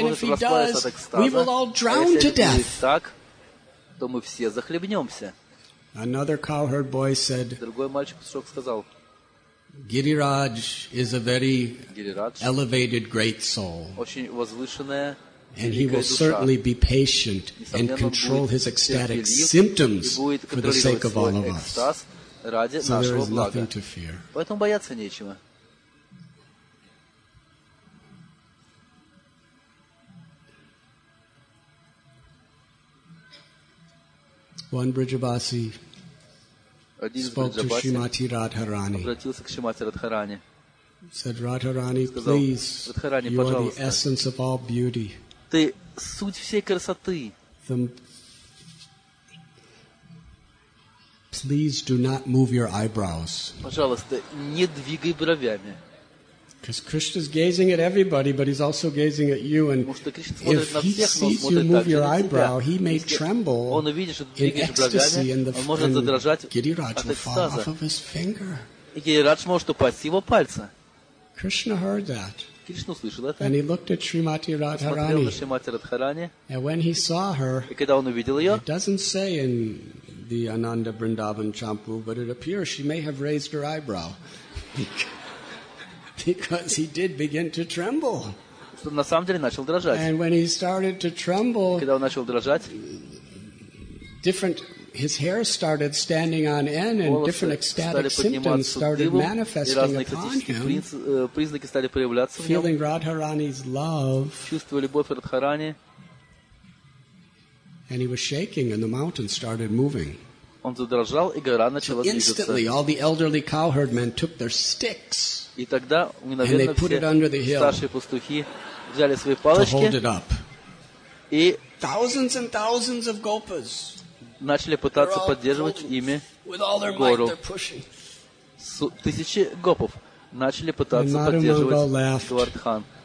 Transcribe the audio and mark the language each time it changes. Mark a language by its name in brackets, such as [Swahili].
[English] And if he does, we will all drown to death. [Russian] Если будет так, то мы все захлебнемся. [English] Another cowherd boy said. [Russian] Другой мальчик пастух сказал. [English] Гирирадж is a very elevated, great soul. [Russian] Очень возвышенная. [English] And he will certainly be patient and control his ecstatic symptoms for the sake of all of us. So there is nothing to fear. [Russian] Поэтому бояться нечего. [English] One Brijabasi spoke to Srimati Radharani. [Russian] Обратился к Шримати Радхарани. [English] Said, Radharani, please, you are the essence of all beauty. [Russian] Ты суть всей красоты. [English] Please do not move your eyebrows. [Russian] Пожалуйста, не двигай бровями. [English] Because Krishna is gazing at everybody, but he's also gazing at you. And if he sees you move your eyebrow, he may tremble in ecstasy, and the Гирирадж will fall off of his finger. [Russian] Гирирадж может упасть с его пальца. [English] Krishna heard that. [Russian] Кришна услышал это. [English] And he looked at Srimati Radharani. And when he saw her, it doesn't say in the Ananda Vrindavan Champu, but it appears she may have raised her eyebrow because he did begin to tremble. [Russian] На самом деле начал дрожать. [English] And when he started to tremble, [Russian] когда он начал дрожать, [English] different his hair started standing on end, and different ecstatic symptoms started manifesting upon him. [Russian] Признаки стали проявляться в нем. [English] Feeling Radharani's love, [Russian] чувствуя любовь Радхарани, [English] and he was shaking, and the mountain started moving. [Russian] Он задрожал, и гора начала двигаться. [English] Instantly, all the elderly cowherd men took their sticks, [Russian] и тогда, [English] and they put it under the hill, [Russian] старшие пастухи взяли свои палочки, [English] to hold it up. [Russian] И [English] thousands and thousands of gopas. [Russian] Начали пытаться поддерживать ими гору. Тысячи гопов начали пытаться поддерживать Дуардхан.